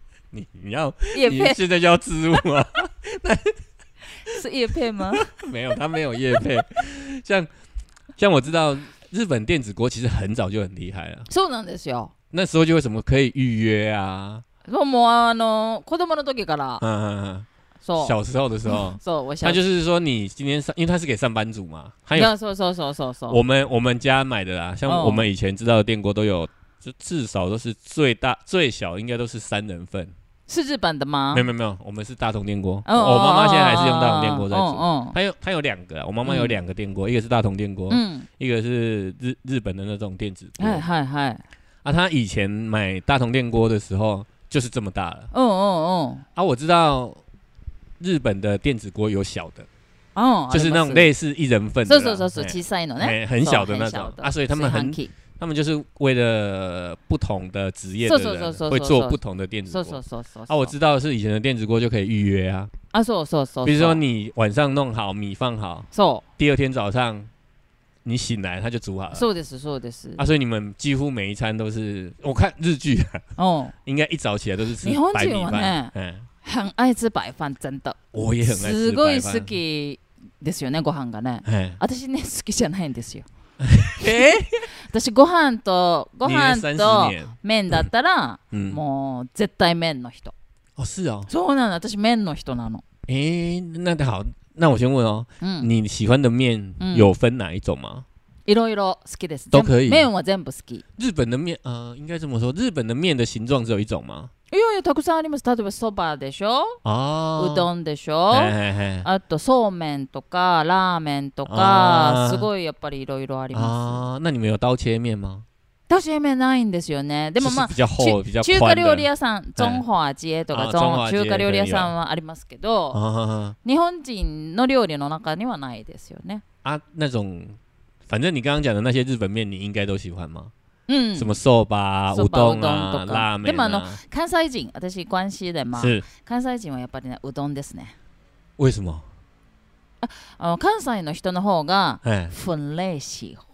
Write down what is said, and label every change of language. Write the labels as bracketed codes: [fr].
[zh] 你要業配，你现在就要植入吗？是業配吗？没有，他没有業配，像我知道日本电子锅其实很早就很厉害了， [ja] そうなんですよ。 [zh] 那时候就为什么可以预约啊？ [ja] そうもう子供の時から。そう。 [zh] 小时候的时候。そう、我小。他就是说你今天上，因为他是给上班族嘛。还有。 [ja] そうそうそうそうそう。 [zh] 我们家买的啦，像我们以前知道的电锅都有，就至少都是最大最小应该都是三人份。是日本的吗？没有没有没有，我们是大同电锅。我妈妈现在还是用大同电锅在煮。他有两个，我妈妈有两个电锅，一个是大同电锅，一个是日本的那种电子锅。 [ja] 嗨嗨嗨。 [zh] 啊、他以前买大同电锅的时候就是这么大了。嗯嗯嗯。啊，我知道日本的电子锅有小的。哦、就是那种类似一人份的。 [ja] そうそうそう、小さいのね。 [zh] 很小的那种。啊，所以他们就是为了不同的职业的人会做不同的电子锅。 [ja] そうそうそう。 [zh] 啊，我知道是以前的电子锅就可以预约啊。 [ja] 啊，そうそうそう。 [zh] 比如说你晚上弄好米放好。 [ja] そう。 [zh] 第二天早上。你醒来，他就煮好了。 [ja] そうです、そうです。 [zh] 啊，所以你们几乎每一餐都是，我看日剧啊，应该一早起来都是吃白米饭。 [ja] 日本人は [zh] ね、很爱吃白饭，真的。我也很爱吃白饭。 [ja] すごい好きですよね、ご飯がね。私ね、好きじゃないんですよ。私ご飯と麺だったら、もう絶対麺の人。 [zh] あ、是啊。 [ja] そうなの、私麺の人なの。 [zh] 那得好。那我先问哦，你喜欢的面有分哪一种吗？ [ja] いろいろ好きです。 [zh] 都可以。 [ja] 麺は全部好き。 [zh] 日本的面，应该这么说，日本的面的形状只有一种吗？ [ja] いろいろたくさんあります。例えばそばでしょ。あ。うどんでしょ。あとそうめんとかラーメンとか、すごいやっぱりいろいろあります。 [zh] あ、那你们有刀切面吗？ [ja] 刀切面ないんですよね。でもまあ、中華料理屋さん、中華街とか中華料理屋さんはありますけど、日本人の料理の中にはないですよね。 [zh] 啊，那种，反正你刚刚讲的那些日本面，你应该都喜欢吗？什么寿巴、乌冬啊、拉面。 [ja] でもあの関西人、私关西でまあ、関西人はやっぱりねうどんですね。 [zh] 为什么？ [ja] 関西の人の方が粉類喜欢。